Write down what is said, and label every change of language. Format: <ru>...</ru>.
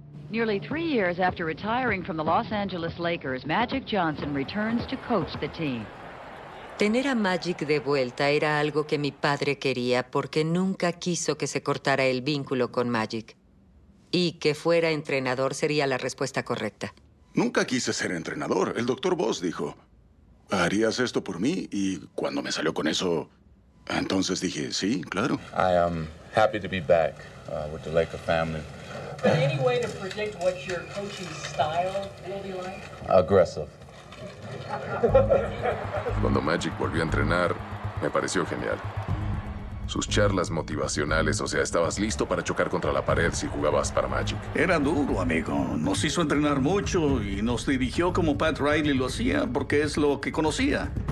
<en>Nearly three years after retiring from the Los Angeles Lakers, Magic Johnson returns to coach the team.</en> <es>Tener a Magic de vuelta era algo que mi padre quería porque nunca quiso que se cortara el vínculo con Magic. Y que fuera entrenador sería la respuesta correcta. Nunca quise ser entrenador. El doctor Buss dijo, ¿harías esto por mí? Y cuando me salió con eso, entonces dije, sí, claro.</es> <en>I am happy to be back with the Laker family. Any way to predict what your coaching style will be like? Aggressive.</en> <es>Cuando Magic volvió a entrenar, me pareció genial. Sus charlas motivacionales, o sea, estabas listo para chocar contra la pared si jugabas para Magic. Era duro, amigo. Nos hizo entrenar mucho y nos dirigió como Pat Riley lo hacía, porque es lo que conocía.</es>